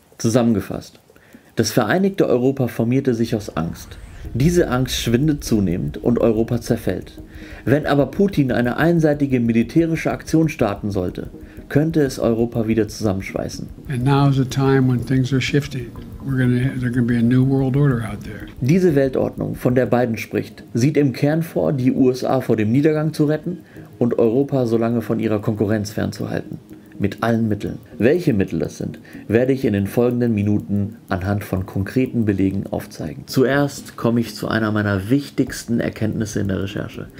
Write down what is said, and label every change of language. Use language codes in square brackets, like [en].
[de] Zusammengefasst, das vereinigte Europa formierte sich aus Angst. Diese Angst schwindet zunehmend und Europa zerfällt. Wenn aber Putin eine einseitige militärische Aktion starten sollte, könnte es Europa wieder zusammenschweißen. [en] And now is the time when things are shifting. There's gonna be a new world order out there. [de] Diese Weltordnung, von der Biden spricht, sieht im Kern vor, die USA vor dem Niedergang zu retten und Europa so lange von ihrer Konkurrenz fernzuhalten. Mit allen Mitteln. Welche Mittel das sind, werde ich in den folgenden Minuten anhand von konkreten Belegen aufzeigen. Zuerst komme ich zu einer meiner wichtigsten Erkenntnisse in der Recherche.